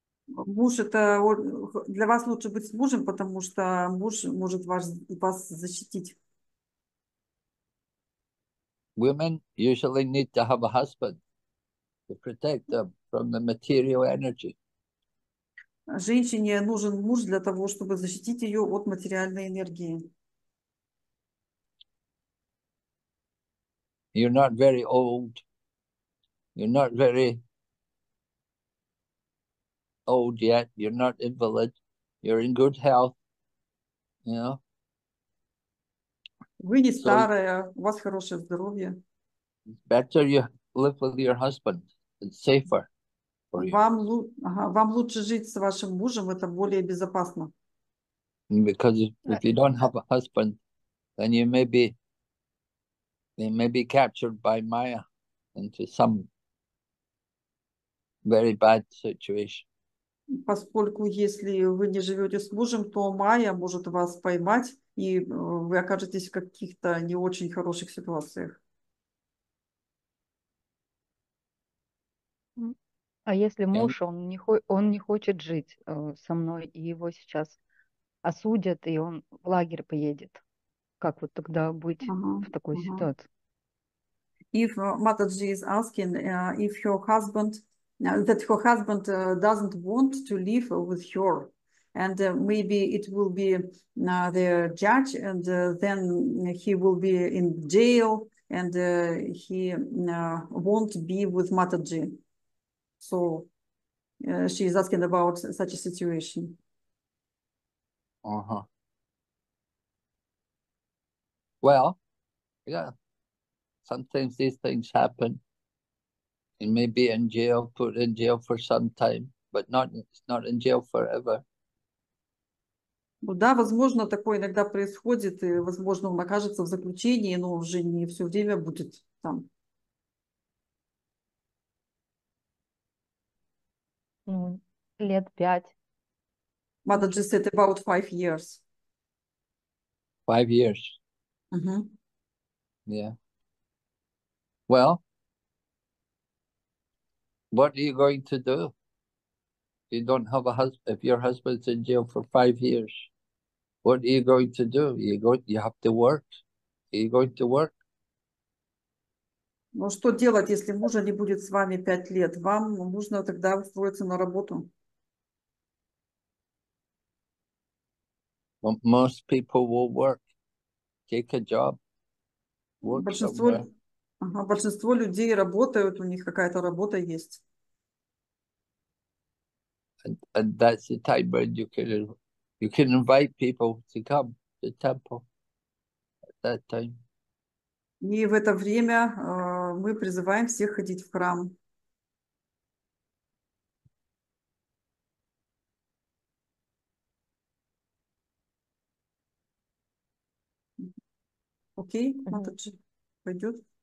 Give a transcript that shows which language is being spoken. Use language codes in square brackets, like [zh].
[ru] Муж это для вас лучше быть с мужем, потому что муж может вас защитить. [en] Women usually need to have a husband to protect them from the material energy. [ru] Женщине нужен муж для того, чтобы защитить ее от материальной энергии. [en] You're not very old. You're not very old yet. You're not invalid. You're in good health. You know? [ru] Вы не старая, у вас хорошее здоровье. [en] Better you live with your husband. It's safer for you. [ru] Вам лучше жить с вашим мужем, это более безопасно. [en] Because if you don't have a husband, then you may be they may be captured by Maya into some very bad situation. [ru] Поскольку если вы не живете с мужем, то Майя может вас поймать, и вы окажетесь в каких-то не очень хороших ситуациях. А если муж, он не хочет жить со мной, и его сейчас осудят, и он в лагерь поедет, как вот тогда быть в такой ситуации? [en] If Mataji is asking if her husband... that her husband doesn't want to live with her, and maybe it will be the judge, and then he will be in jail, and he won't be with Mataji. So she is asking about such a situation. Uh-huh. Well, yeah, sometimes these things happen. He may be in jail, put in jail for some time, but not in jail forever. [ru] Ну да, возможно, такое иногда происходит, и, возможно, он окажется в заключении, но уже не все время будет там. Лет 5. [en] Mata just said about 5 years. 5 years. Mm-hmm. Yeah. Well, what are you going to do? You don't have a husband. If your husband's in jail for 5 years, what are you going to do? You have to work. Are you going to work? [ru] Ну что делать, если мужа не будет с вами 5 лет? Вам нужно тогда устроиться на работу. [en] Well, most people will work. Take a job. Work [ru] большинство [en] somewhere. [ru] Большинство людей работают, у них какая-то работа есть. [en] And that's the time when you can invite people to come to the temple at that time. [ru] И в это время мы призываем всех ходить в храм. Окей, Матаджи пойдет.